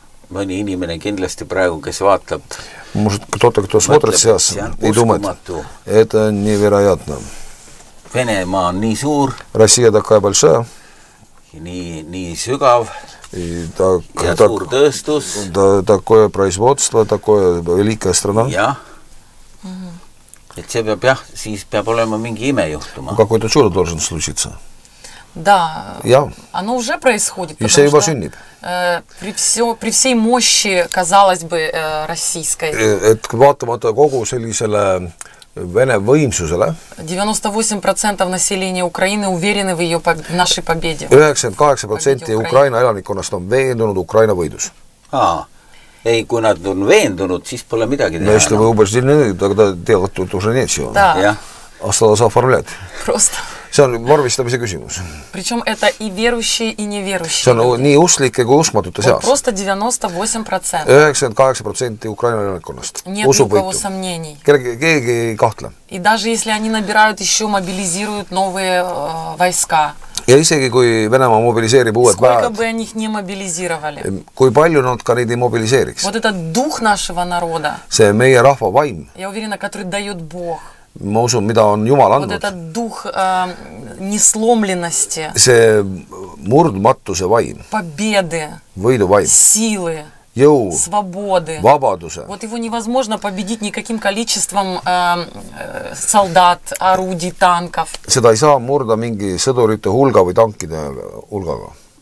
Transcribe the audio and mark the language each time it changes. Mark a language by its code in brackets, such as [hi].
[et] mõni inimene kindlasti praegu, kes vaatab... [ru] Может, кто-то, кто смотрит сейчас и думает, это невероятно. [et] Venemaa on nii suur. [ru] Россия такая большая. [et] Nii sügav. [ru] И так, [et] ja так, suur tõestus. [ru] Да, такое производство, такое великая страна. [et] Ja. Mm-hmm. Et see peab, jah, siis peab olema mingi ime juhtuma. [ru] Какое-то чудо должен случиться. Да, я. Оно уже происходит, и потому что при всей мощи, казалось бы, российской. [et] Vaatamata kogu sellisele Vene võimsusele. [ru] 98% населения Украины уверены в ее в нашей победе. [et] 98% Украина elanikkonnast on veendunud Ukraina võidus. Ei, kui nad on veendunud, siis pole midagi teha. [ru] Если вы убеждены, тогда делать тут уже нечего. Да. Осталось оформлять. Просто. [et] See on vormistamise küsimus. [ru] Причем это и верующие, и неверующие. [et] See on nii uslike kui uskmatute seas. [ru] Просто 98%. [et] 98% Украина elanikkonnast. [ru] Нет никого сомнений. [et] Keegi ei kahtle. [ru] И даже если они набирают еще, мобилизируют новые войска. [et] Ja isegi kui Venemaa mobiliseerib uued väed. [ru] Сколько бы они их не мобилизировали. [et] Kui palju nad ka neid ei mobiliseeriks. [ru] Вот это дух нашего народа. [et] See meie rahva vaim. [ru] Я уверена, который дает Бог. [et] Ma usun, mida on Jumal andnud. [ru] Вот этот дух несломленности. [et] See murdmatuse vaim. [ru] Победы. [et] Võidu vaim. [ru] Силы. [et] Jõu. [ru] Свободы. [et] Vabaduse. [ru] Вот его невозможно победить никаким количеством солдат, орудий, танков. [et] Seda ei saa murda mingi sõdurite hulga või tankide hulgaga.